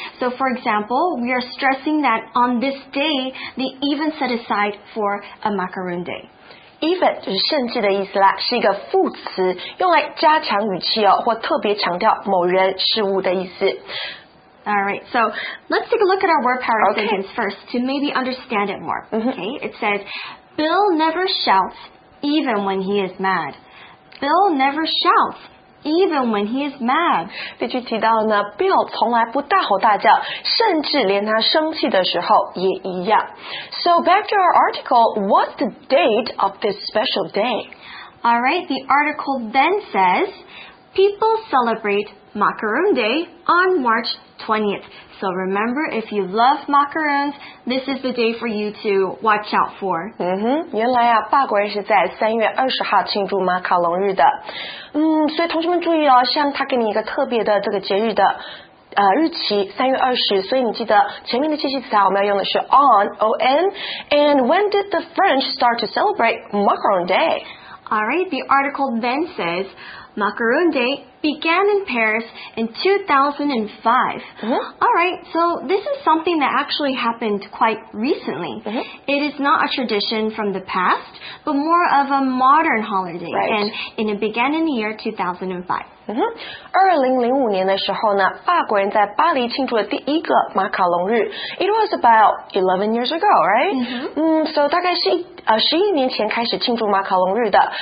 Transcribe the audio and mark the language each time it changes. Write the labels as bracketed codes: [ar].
[en] So, for example, we are stressing that on this day, they even set aside for a macaroon day. [zh] Even 就是甚至的意思啦，是一个副词，用来加强语气哦，或特别强调某人事物的意思。 [en] All right, so let's take a look at our word power sentence first to maybe understand it more, okay? It says, Bill never shouts even when he is mad. Bill never shouts, even when he is mad. [zh] 这句提到呢 ，Bill 从来不大吼大叫，甚至连他生气的时候也一样。 [en] So back to our article, what's the date of this special day? All right, the article then says, people celebrate Macaroon Day on March 20th. So remember, if you love macarons, this is the day for you to watch out for. [zh] 原来啊，法国人是在3月20号庆祝马卡龙日的。所以同学们注意哦，像他给你一个特别的这个节日的日期3月20，所以你记得前面的介系词啊，我们要用的是 on, O-N. [en] And when did the French start to celebrate Macaroon Day? All right, the article then says, Macaroon Day began in Paris in 2005. Mm-hmm. All right, so this is something that actually happened quite recently. Mm-hmm. It is not a tradition from the past, but more of a modern holiday. Right. And it began in the year 2005. [zh] 2005年的时候呢，法国人在巴黎庆祝了第一个马卡龙日。 [en] It was about 11 years ago, right? [zh] So 大概是11年前开始庆祝马卡龙日的。